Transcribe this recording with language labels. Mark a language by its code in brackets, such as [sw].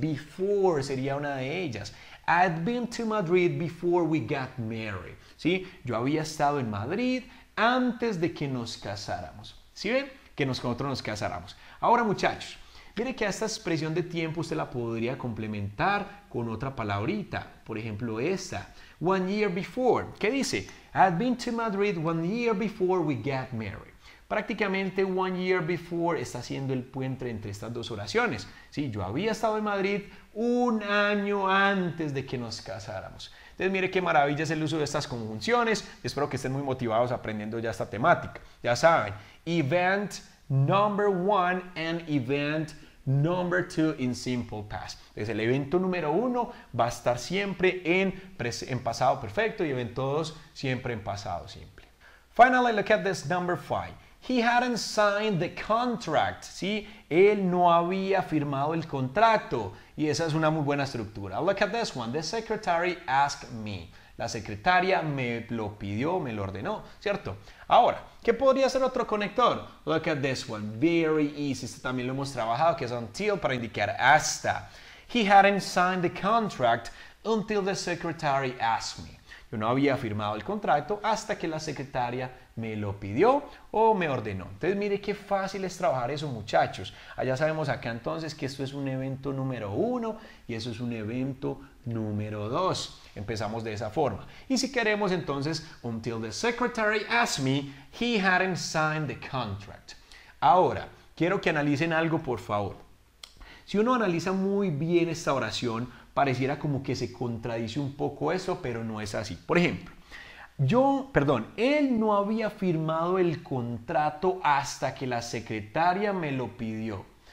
[es] Before sería una de ellas. [en] I'd been to Madrid before we got married. [es] ¿Sí? Yo había estado en Madrid antes de que nos casáramos. ¿Sí ven? Que nosotros nos casáramos. Ahora, muchachos, mire que a esta expresión de tiempo usted la podría complementar con otra palabrita. Por ejemplo, esta. [en] One year before. [es] ¿Qué dice? [en] I'd been to Madrid one year before we got married. [es] Prácticamente, [en] one year before [es] está siendo el puente entre estas dos oraciones. Sí, yo había estado en Madrid un año antes de que nos casáramos. Entonces, mire qué maravilla es el uso de estas conjunciones. Espero que estén muy motivados aprendiendo ya esta temática. Ya saben, [en] event number one and event number two in simple past. [es] Entonces, el evento número uno va a estar siempre en pasado perfecto y evento dos siempre en pasado simple. [en] Finally, look at this number five. He hadn't signed the contract. [es] ¿Sí? Él no había firmado el contrato. Y esa es una muy buena estructura. [en] Look at this one. The secretary asked me. [es] La secretaria me lo pidió, me lo ordenó. ¿Cierto? Ahora, ¿qué podría ser otro conector? [en] Look at this one. Very easy. [es] Este también lo hemos trabajado, que es until para indicar hasta. [en] He hadn't signed the contract until the secretary asked me. [es] Yo no había firmado el contrato hasta que la secretaria me lo pidió o me ordenó. Entonces, mire qué fácil es trabajar eso, muchachos. Allá sabemos acá entonces que esto es un evento número uno y eso es un evento número dos. Empezamos de esa forma. Y si queremos entonces, [en] until the secretary asked me, he hadn't signed the contract. [es] Ahora, quiero que analicen algo, por favor. Si uno analiza muy bien esta oración, pareciera como que se contradice un poco eso, pero no es así. Por ejemplo, él no había firmado el contrato hasta que la secretaria me lo pidió.